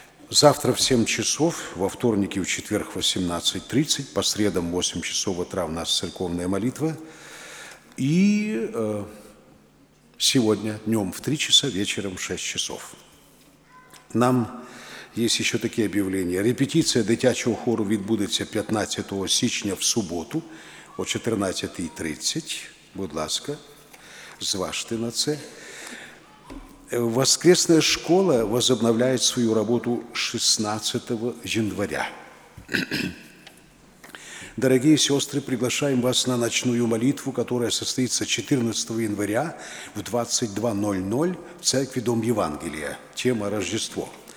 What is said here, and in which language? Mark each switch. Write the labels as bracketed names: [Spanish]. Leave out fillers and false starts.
[Russian] Завтра в 7 часов, во вторник и в четверг в 18:30, по средам в 8 часов утра у нас церковная молитва. И сегодня днем в 3 часа, вечером в 6 часов. Нам есть еще такие объявления. [Ukrainian] Репетиция дитячого хору відбудеться 15 січня в суботу о 14:30. Будь ласка, зважте на це. [Russian] Воскресная школа возобновляет свою работу 16 января. Дорогие сестры, приглашаем вас на ночную молитву, которая состоится 14 января в 22:00 в церкви Дом Евангелия. Тема «Рождество».